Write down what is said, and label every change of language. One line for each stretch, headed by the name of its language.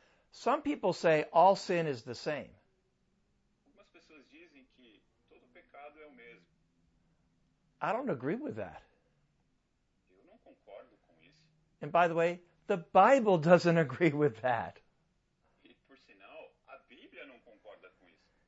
English: Some people say all sin is the same.
Portuguese: Algumas pessoas dizem que todo pecado é o mesmo.
English: I don't agree with that.
Portuguese: Eu não concordo com isso.
English: And by the way, the Bible doesn't agree with that.
Portuguese: E por sinal, a Bíblia não concorda com isso.